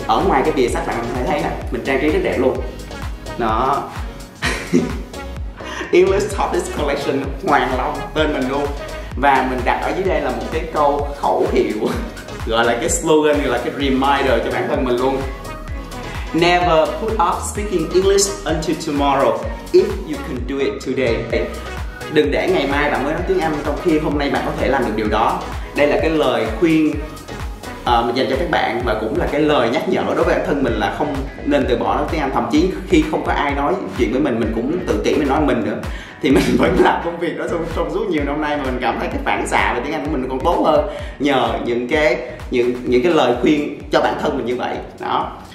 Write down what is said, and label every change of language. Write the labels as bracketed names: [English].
[Vietnamese] Ở ngoài cái bìa sách bạn có thể thấy là mình trang trí rất đẹp luôn. Đó. English Topics Collection Hoàng Long, tên mình luôn. Và mình đặt ở dưới đây là một cái câu khẩu hiệu, gọi là cái slogan, gọi là cái reminder cho bản thân mình luôn. [English] Never put off speaking English until tomorrow if you can do it today. [Vietnamese] Đừng để ngày mai bạn mới nói tiếng Anh trong khi hôm nay bạn có thể làm được điều đó. Đây là cái lời khuyên dành cho các bạn, và cũng là cái lời nhắc nhở đối với bản thân mình là không nên từ bỏ nói tiếng Anh. Thậm chí khi không có ai nói chuyện với mình cũng tự kỷ mình nói mình nữa, thì mình vẫn làm công việc đó trong suốt nhiều năm nay, mà mình cảm thấy cái phản xạ về tiếng Anh của mình còn tốt hơn nhờ những cái lời khuyên cho bản thân mình như vậy. Đó.